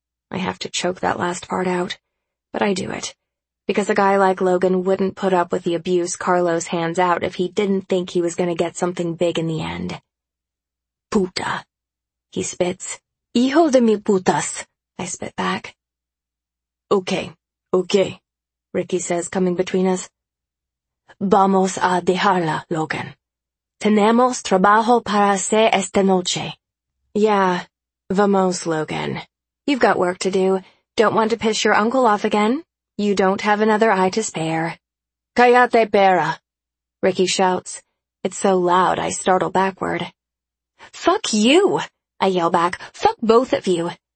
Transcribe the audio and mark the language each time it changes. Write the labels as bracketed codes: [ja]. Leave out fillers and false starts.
[en] I have to choke that last part out, but I do it. Because a guy like Logan wouldn't put up with the abuse Carlos hands out if he didn't think he was going to get something big in the end. [es] Puta, [en] he spits. [es] Hijo de mi putas, [en] I spit back. Okay, okay, Ricky says, coming between us. [es] Vamos a dejarla, Logan. Tenemos trabajo para hacer esta noche. [en] Yeah, vamos, Logan. You've got work to do. Don't want to piss your uncle off again. You don't have another eye to spare. [es] Cállate, perra, [en] Ricky shouts. It's so loud I startle backward. Fuck you, I yell back. Fuck both of you.